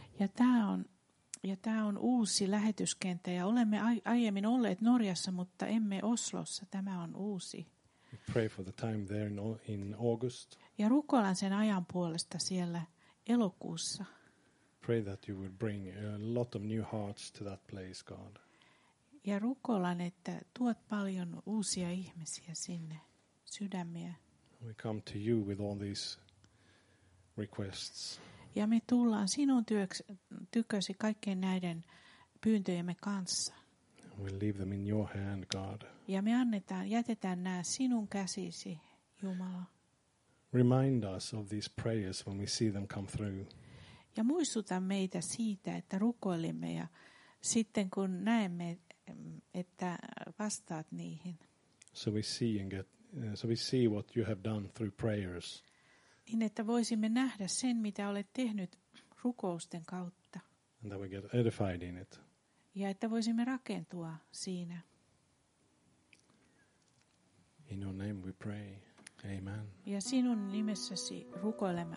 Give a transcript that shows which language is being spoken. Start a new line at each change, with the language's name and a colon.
Finnish: Ja tämä on Ja tämä on uusi lähetyskenttä ja olemme aiemmin olleet Norjassa, mutta emme Oslossa. Tämä on uusi.
English: Pray for the time there in August.
Finnish: Ja rukoillaan sen ajan puolesta siellä elokuussa.
English: Pray that you will bring a lot of new hearts to that place, God.
Finnish: Ja rukoillaan, että tuot paljon uusia ihmisiä sinne, sydämiä.
English: We come to you with all these requests.
Finnish: Ja me tullaan sinun tykösi kaikkien näiden pyyntöjemme kanssa.
English: We'll leave them in your hand, God.
Finnish: Ja me jätetään nämä sinun käsisi, Jumala.
English: Remind us of these prayers when we see them come through.
Finnish: Ja muistuta meitä siitä, että rukoilimme ja sitten kun näemme, että vastaat niihin.
English: So we see and get, so we see what you have done through prayers.
Finnish: Niin että voisimme nähdä sen, mitä olet tehnyt rukousten kautta.
English: And that we get edified in it.
Finnish: Ja että voisimme rakentua siinä.
English: In your name we pray. Amen.
Finnish: Ja sinun nimessäsi rukoilemme.